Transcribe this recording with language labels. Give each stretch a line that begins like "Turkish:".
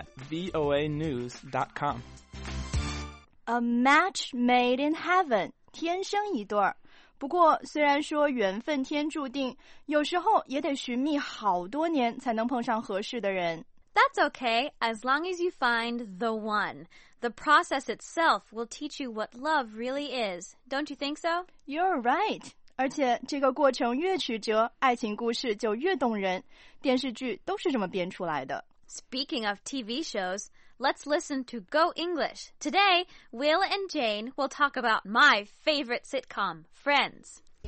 English: meiyu@voanews.com。 A match made in heaven，
Chinese: 天生一对儿。不过，虽然说缘分天注定，有时候也得寻觅好多年才能碰上合适的人。
English: That's okay, as long as you find the one. The process itself will teach you what love really is. Don't you think so? You're right.
Chinese: 而且这个过程越曲折，爱情故事就越动人。电视剧都是这么编出来的。
English: Speaking of TV shows, let's listen to Go English. Today, Will and Jane will talk about my favorite sitcom, Friends.